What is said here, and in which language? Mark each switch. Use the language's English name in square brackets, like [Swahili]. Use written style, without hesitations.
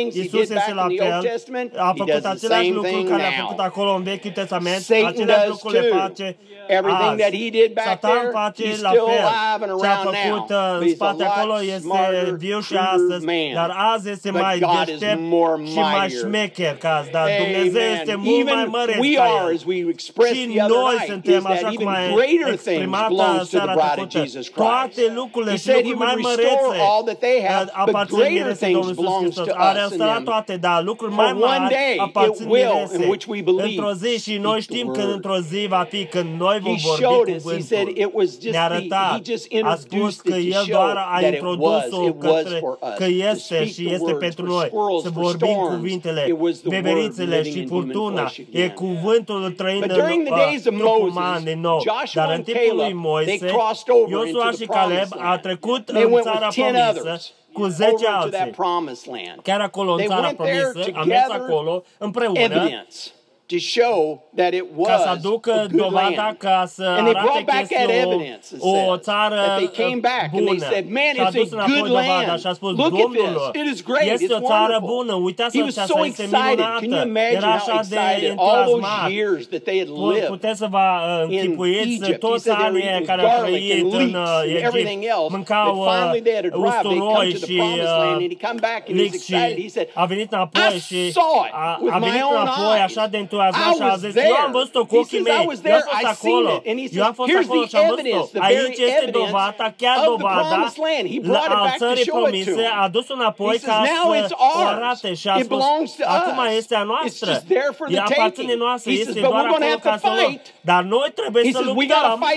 [Romanian] Iisus este la fel. A făcut același lucru care a făcut acolo în Vechiul Testament. Același lucru le face azi. Satan face la fel. Ce a făcut în spate acolo este viu și astăzi. Dar azi este mai deștept și mai șmecher ca azi. Dar Dumnezeu este mult [English] even [Romanian] mai mare. [English] We are, as we expressed the other night, [Romanian] suntem, [English] is that even greater things belongs to the bride of Jesus Christ. He said he would restore all that they have, but greater things belongs to us and them. For one day it will, in which we believe. [Romanian] Și noi știm că într-o zi va fi când noi vom vorbi cu Cuvântul. Ne-a arătat, a spus că El doar a introdus-o către, că este și este pentru noi. Să vorbim cuvintele, beberițele și furtuna. E cuvântul trăind în trupul uman din nou. Dar în timpul lui Moise, Iosua și Caleb a trecut în țara promisă cu 10 alții. Chiar acolo în țara promisă, a mers acolo împreună [English] to show that it was a good land. And they brought back that evidence and said that they came back [Romanian] bună. [English] And they said, man, it's a good land. [Romanian] Spus, [English] look at this. It is great. It's wonderful. [Romanian] Uitați, [English] he was so excited. Can you imagine how excited all those years that they had lived in Egypt? He said they were eating garlic and leeks and everything else. And finally they had a drought. They come to the promised land and he come back and he's excited. He said, I saw it with my own eyes. [Romanian] Tu a zis, [English] I was there. [Romanian] Eu am văzut-o cu ochii mei. Eu am fost acolo. Eu am fost acolo și am văzut-o. Aici este dovada, chiar dovada a țării promise. A dus înapoi ca să o arate și a spus, acum este a noastră. E aparține noastră. Este doar acolo ca să luăm. Dar noi trebuie să luptăm.